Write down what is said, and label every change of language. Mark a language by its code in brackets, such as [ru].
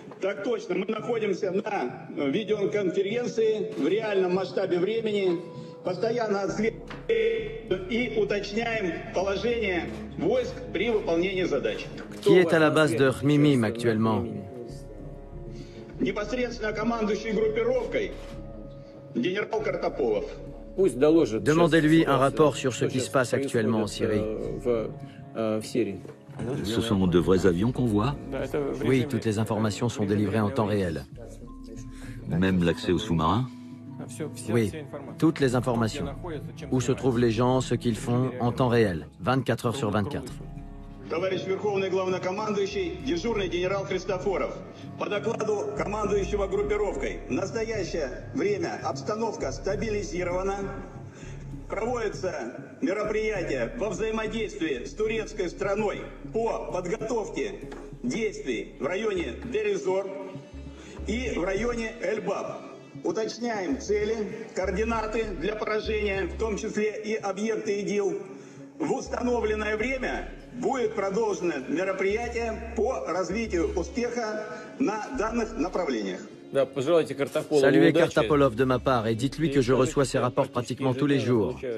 [ru] Так точно, мы находимся на видеоконференции в реальном масштабе времени, постоянно отслеживаем и уточняем положение войск при выполнении задач. [fr] Qui est à la base de Khmeimim actuellement? [ru] Непосредственно командующий группировкой генерал Картополов. Пусть доложит. [fr] Demandez-lui un rapport sur ce qui se passe actuellement en Syrie. Ce sont de vrais avions qu'on voit? Oui, toutes les informations sont délivrées en temps réel. Même l'accès aux sous-marins? Oui, toutes les informations. Où se trouvent les gens, ce qu'ils font, en temps réel, 24 heures sur 24. [ru] Товарищ верховный главнокомандующий, дежурный генерал Христофоров. По докладу командующего группировкой, в настоящее время обстановка стабилизирована. Проводятся мероприятия во взаимодействии с турецкой страной по подготовке действий в районе Дерезор и в районе Эльбаб. Уточняем цели, координаты для поражения, в том числе и объекты ИДИЛ. В установленное время будет продолжено мероприятие по развитию успеха на данных направлениях. [fr] Saluez Kartapolov de ma part et dites-lui que je reçois ses rapports pratiquement tous les jours.